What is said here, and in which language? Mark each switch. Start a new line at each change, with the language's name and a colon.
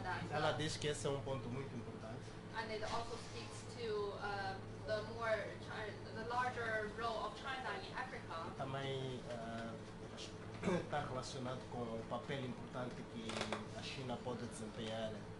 Portuguese: Ela diz que esse é ponto muito importante.
English: And it also speaks to the more the larger role of China in Africa.
Portuguese: Também está relacionado com o papel importante que a China pode desempenhar.